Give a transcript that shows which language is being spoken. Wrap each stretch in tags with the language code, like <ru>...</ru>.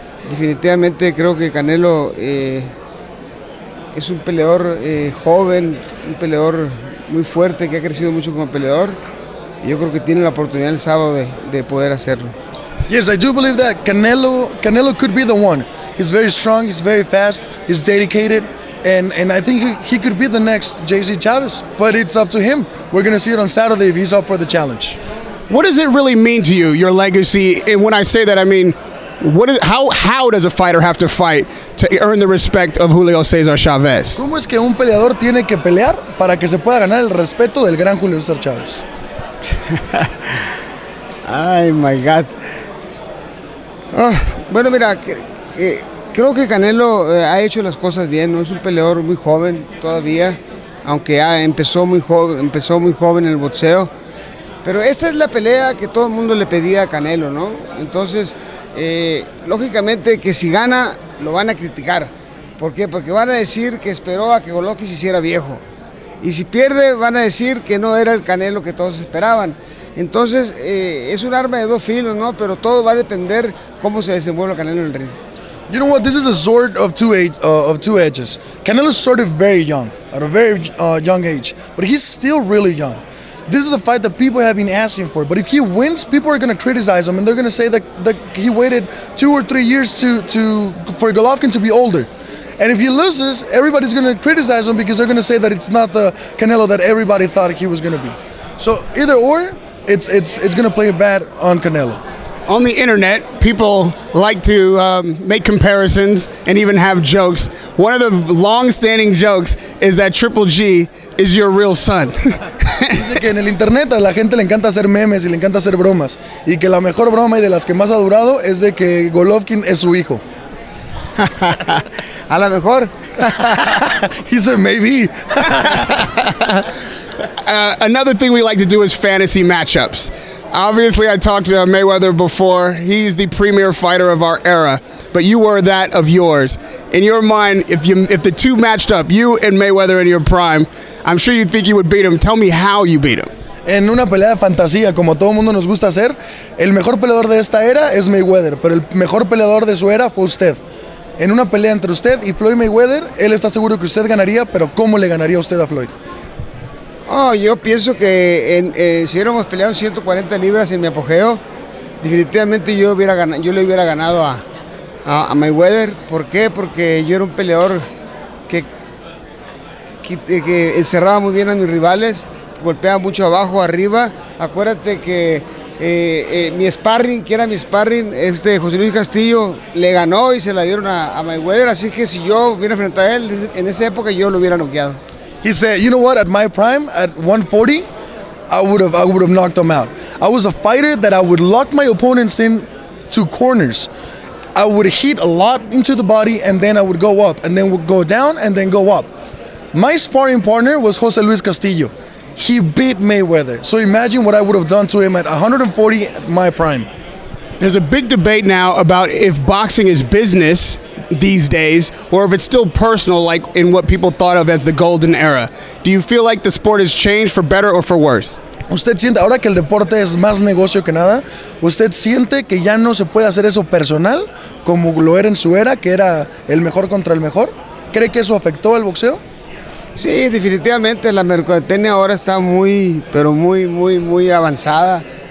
<es>Definitivamente creo que Canelo es un peleador joven, un peleador muy fuerte, que ha crecido mucho como peleador. Yo creo que tiene la oportunidad el sábado de poder hacerlo.</es> <en>Yes, I do believe that Canelo could be the one. He's very strong, he's very fast, he's dedicated, and I think he could be the next JC Chavez, but it's up to him. We're going to see it on Saturday if he's up for the challenge. What does it really mean to you, your legacy? And when I say that, I mean, how does a fighter have to fight to earn the respect of Julio Cesar Chavez?</en> <es>¿Cómo es que un peleador tiene que pelear para que se pueda ganar el respeto del gran Julio Cesar Chavez?</es> <en>Ay, my God.</en> <es>Bueno, mira, creo que Canelo ha hecho las cosas bien, ¿no? Es un peleador muy joven todavía, aunque ya empezó muy joven en el boxeo. Pero esta es la pelea que todo el mundo le pedía a Canelo, ¿no? Entonces, lógicamente que si gana, lo van a criticar. ¿Por qué? Porque van a decir que esperó a que Golovkin se hiciera viejo. Y si pierde, van a decir que no era el Canelo que todos esperaban. Entonces, es un arma de dos filos, ¿no? Pero todo va a depender cómo se desenvuelve Canelo en el ring.</es> <en>You know what? This is a sword of two edges. Canelo started very young, at a very young age, but he's still really young. This is a fight that people have been asking for, but if he wins, people are going to criticize him, and they're going to say that he waited two or three years for Golovkin to be older. And if he loses, everybody's going to criticize him because they're going to say that it's not the Canelo that everybody thought he was going to be. So either or, it's going to play bad on Canelo. On the internet, people like to make comparisons and even have jokes. One of the long-standing jokes is that Triple G is your real son.</en> <es>Dice que en el internet a la gente le encanta hacer memes y le encanta hacer bromas, y que la mejor broma y de las que más ha durado es de que Golovkin es su hijo. A lo mejor.</es> <en>He said maybe. Another thing we like to do is fantasy matchups. Obviously, I talked to Mayweather before. He's the premier fighter of our era, but you were that of yours. In your mind, if the two matched up, you and Mayweather in your prime, I'm sure you'd think you would beat him. Tell me how you beat him.</en> <es>En una pelea de fantasía, como todo mundo nos gusta hacer, el mejor peleador de esta era es Mayweather, pero el mejor peleador de su era fue usted. En una pelea entre usted y Floyd Mayweather, él está seguro que usted ganaría, pero ¿cómo le ganaría usted a Floyd? Oh, yo pienso que si hubiéramos peleado 140 libras en mi apogeo, definitivamente yo le hubiera ganado a Mayweather. ¿Por qué? Porque yo era un peleador que encerraba muy bien a mis rivales, golpeaba mucho abajo, arriba. Acuérdate que mi sparring, José Luis Castillo, le ganó y se la dieron a Mayweather. Así que si yo hubiera enfrentado a él, en esa época yo lo hubiera noqueado.</es> <en>He said, you know what, at my prime, at 140, I would have knocked him out. I was a fighter that I would lock my opponents in to corners. I would hit a lot into the body, and then I would go up, and then would go down, and then go up. My sparring partner was José Luis Castillo. He beat Mayweather. So imagine what I would have done to him at 140, at my prime. There's a big debate now about if boxing is business these days, or if it's still personal, like in what people thought of as the golden era. Do you feel like the sport has changed for better or for worse?</en> <es>¿Usted siente ahora que el deporte es más negocio que nada? ¿Usted siente que ya no se puede hacer eso personal como lo era en su era, que era el mejor contra el mejor? ¿Cree que eso afectó al boxeo? Sí, definitivamente la mercadotecnia ahora está muy, pero muy, muy, muy avanzada.</es>